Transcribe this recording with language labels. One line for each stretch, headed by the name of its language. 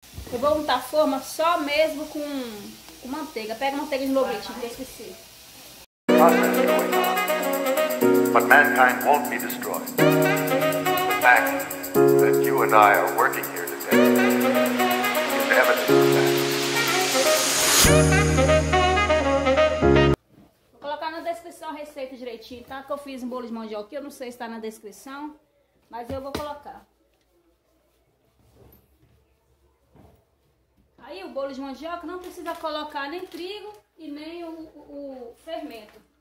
Portuguese: Eu vou untar a forma só mesmo com manteiga. Pega manteiga de novo, gente, que eu esqueci.
English: But mankind won't be destroyed. The fact that you and I are working here today is evidence of that.
Portuguese: Vou colocar na descrição a receita direitinho, tá? Que eu fiz um bolo de mandioca aqui, eu não sei se tá na descrição, mas eu vou colocar. Aí o bolo de mandioca não precisa colocar nem trigo e nem o fermento.